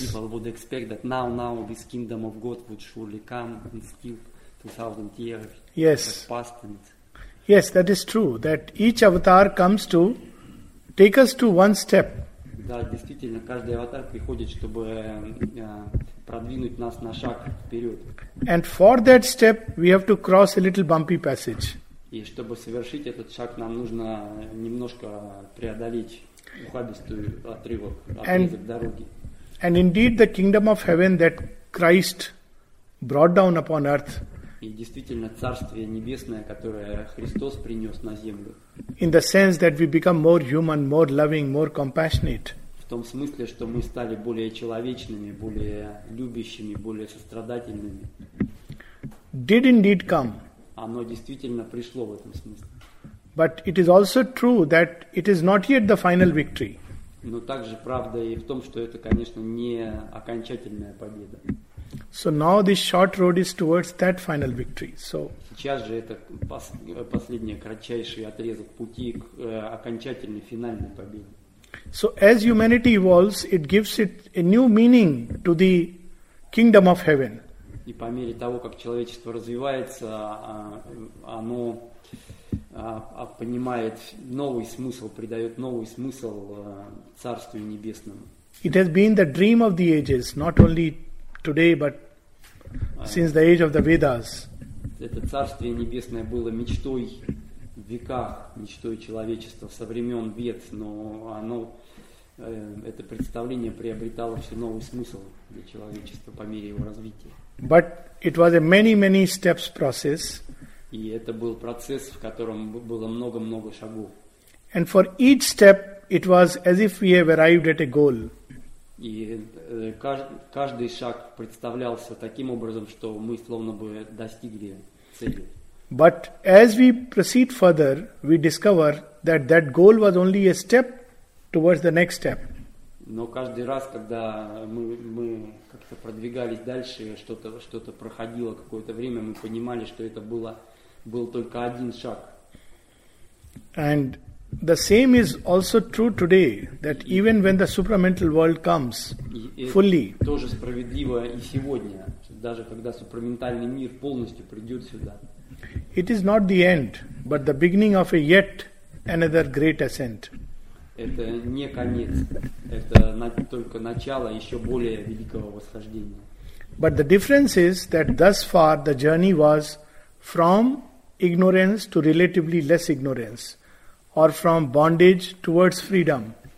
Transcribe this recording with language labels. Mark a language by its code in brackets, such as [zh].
[en] people would expect that now this kingdom of God would surely come and still. 2000 years. Yes. Past and... Yes, that is true. That each avatar comes to take us to one step. [ru] Да, действительно, каждый аватар приходит, чтобы продвинуть нас на шаг вперед. [en] And for that step, we have to cross a little bumpy passage. [ru] И чтобы совершить этот шаг, нам нужно немножко преодолеть ухабистую отрывок дороги. [en] And indeed, the kingdom of heaven that Christ brought down upon earth. [ru] И действительно, Царствие Небесное, которое Христос принес на землю. [en] In the sense that we become more human, more loving, more compassionate. [ru] В том смысле, что мы стали более человечными, более любящими, более сострадательными. [en] Did indeed come. [ru] оно действительно пришло в этом смысле. [en] But it is also true that it is not yet the final victory. [ru] Но также правда и в том, что это, конечно, не окончательная победа. [en] So now this short road is towards that final victory. So [ru] сейчас же это последний кратчайший отрезок пути к окончательной финальной победе. [en] So as humanity evolves, it gives it a new meaning to the kingdom of heaven. [ru] И по мере того, как человечество развивается, оно понимает новый смысл, придает новый смысл Царству Небесному. [en] It has been the dream of the ages, not only today, but since the age of the Vedas. [ru] Это Царствие Небесное было мечтой в веках, мечтой человечества со времен Вед, но оно, это представление приобретало все новый смысл для человечества по мере его развития. [en] But it was a many steps process. [ru] И это был процесс, в котором было много шагов. [en] And for each step, it was as if we have arrived at a goal. [ru] И каждый шаг представлялся таким образом, что мы словно бы достигли цели. [en] But as we proceed further, we discover that that goal was only a step towards the next step. [ru] Но каждый раз, когда мы как-то продвигались дальше, что-то проходило какое-то время, мы понимали, что это был только один шаг. [en] And the same is also true today, that even when the supramental world comes fully, [ru] тоже справедливо и сегодня, даже когда супраментальный мир полностью придет сюда, [en] it is not the end, but the beginning of a yet another great ascent. [ru] Это не конец, это только начало еще более великого восхождения. [en] But the difference is that thus far the journey was from ignorance to relatively less ignorance, or from bondage towards freedom.